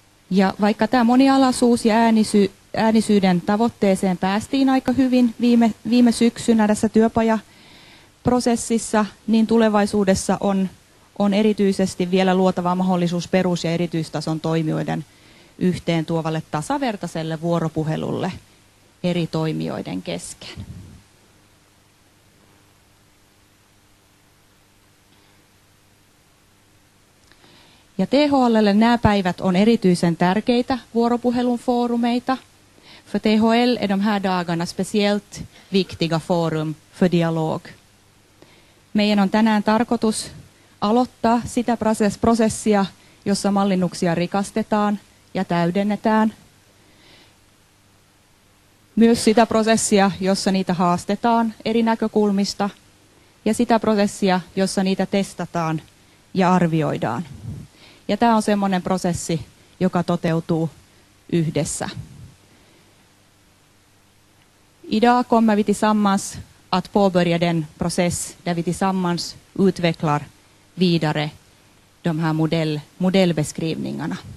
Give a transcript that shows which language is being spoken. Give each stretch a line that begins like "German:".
Finnish: Ja vaikka tämä monialaisuus ja äänisyyden tavoitteeseen päästiin aika hyvin viime syksynä tässä työpajaprosessissa, niin tulevaisuudessa on erityisesti vielä luotava mahdollisuus perus- ja erityistason toimijoiden yhteen tuovalle tasavertaiselle vuoropuhelulle eri toimijoiden kesken. Ja THL:lle nämä päivät on erityisen tärkeitä vuoropuhelun foorumeita.
Swedish: För THL är de här dagarna speciellt viktiga forum för dialog.
Finnish: Meidän on tänään tarkoitus aloittaa sitä prosessia, jossa mallinnuksia rikastetaan ja täydennetään. Myös sitä prosessia, jossa niitä haastetaan eri näkökulmista ja sitä prosessia, jossa niitä testataan ja arvioidaan. Ja tämä on semmoinen prosessi, joka toteutuu yhdessä.
Swedish: Idag kommer vi tillsammans att påbörja den process där vi tillsammans utvecklar vidare de här modellbeskrivningarna.